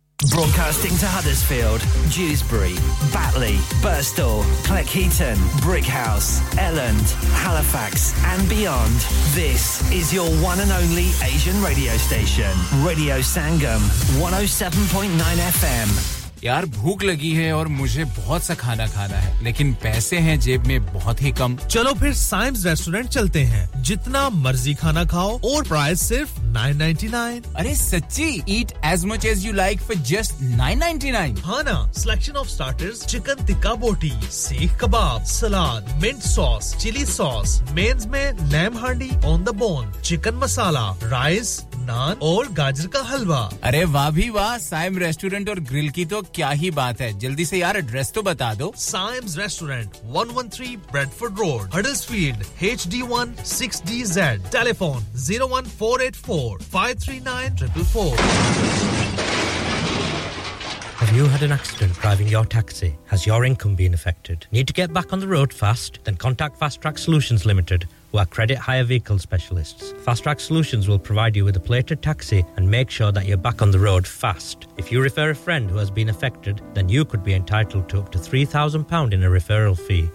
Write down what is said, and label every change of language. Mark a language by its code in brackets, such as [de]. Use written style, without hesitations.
[en] Broadcasting to Huddersfield, Dewsbury, Batley, Birstall, Cleckheaton, Brickhouse, Elland, Halifax and beyond. This is your one and only Asian radio station. Radio Sangam, 107.9 FM. [hi] यार भूख लगी है और मुझे बहुत सा खाना खाना है लेकिन पैसे हैं जेब में बहुत ही कम चलो फिर साइम्स रेस्टोरेंट चलते हैं जितना मर्जी खाना खाओ और प्राइस सिर्फ 9.99 अरे सच्ची [en] eat as much as you like for just 9.99 [hi] हां ना selection of starters chicken tikka बोटी सीख कबाब सलाद mint sauce chilli sauce mains में लैम हांडी on the bone chicken masala rice नान और गाजर का हलवा अरे वाह भी वाह साइम रेस्टोरेंट और ग्रिल की तो क्या ही बात है जल्दी से यार एड्रेस तो बता दो Symons restaurant 113 Bradford road Huddersfield HD1 6DZ telephone 01484 539 444 [en] Have you had an accident driving your taxi? Has your income been affected? Need to get back on the road fast? Then contact Fast Track Solutions Limited. Who are credit hire vehicle specialists. Fast Track Solutions will provide you with a plated taxi and make sure that you're back on the road fast. If you refer a friend who has been affected, then you could be entitled to up to £3,000 in a referral fee.